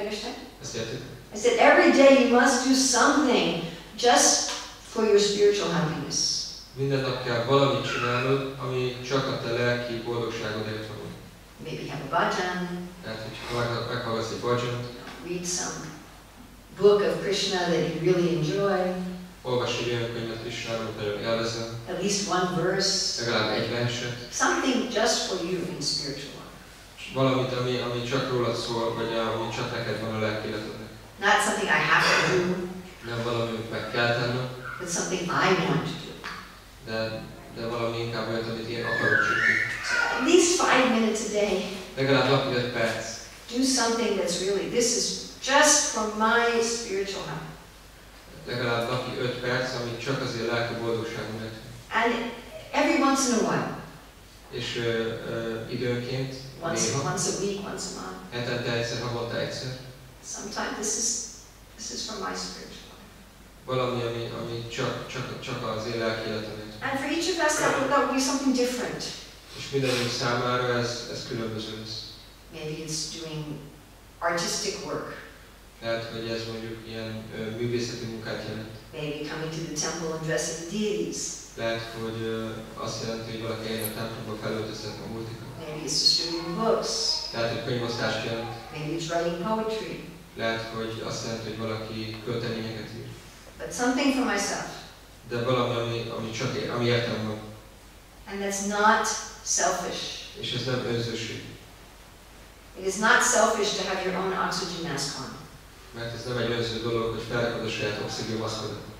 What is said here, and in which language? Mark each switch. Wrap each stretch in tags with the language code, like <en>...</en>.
<en>understand? I said every day you must do something just for your spiritual happiness.</en> <hu>Minden nap kell valamit csinálnod, ami csak a te lelki boldogságodért való.</hu> <en>Maybe have a bhajan.</en> <hu>Lehet, hogy meghallgatsz egy bhajant.</hu> <en>Read some book of Krishna that you really enjoy. At least one verse. Something just for you in spiritual life.</en> <hu>Valamit, ami csak rólad szól, vagy ami csak neked van a lelki életednek.</hu> <en>Not something I have to do.</en> <hu>Nem valami, amit meg kell tennem.</hu> <en>But something I want to do.</en> <hu>De valami inkább olyat, amit én akarok csinálni.</hu> <en>At least 5 minutes a day.</en> <hu>Legalább napi 5 perc.</hu> <en>Do something that's really, this is just for my spiritual health.</en> <hu>Legalább napi 5 perc, ami csak azért a lelki boldogság miatt.</hu> <en>And every once in a while.</en> <hu>És időnként.</hu> <en>Once a week, once a month.</en> <hu>Egyszer, havonta egyszer.</hu> <en>Sometimes this is for my spiritual life.</en> <hu>Valami, ami csak az én lelki életemet.</hu> <en>And for each of us that would be something different.</en> <hu>És mindenünk számára ez különböző lesz.</hu> <en>Maybe it's doing artistic work.</en> <hu>Lehet, hogy ez mondjuk ilyen művészeti munkát jelent.</hu> <en>Maybe coming to the temple and dressing the deities.</en> <hu>Lehet, hogy azt jelenti, hogy valaki eljön a templomba felöltözhet a múltikon.</hu> <en>Maybe it's distributing books.</en> <hu>Lehet, hogy könyvosztást jelent.</hu> <en>Maybe it's writing poetry.</en> <hu>Lehet, hogy azt jelenti, hogy valaki költeményeket ír.</hu> <en>But something for myself.</en> <hu>De valami, ami értem van.</hu> <en>And that's not selfish.</en> <hu>És ez nem önzőség.</hu> <en>It is not selfish to have your own oxygen mask on.</en> <hu>Mert ez nem egy önző dolog, hogy felrakod a saját oxigénmaszkodat.</hu>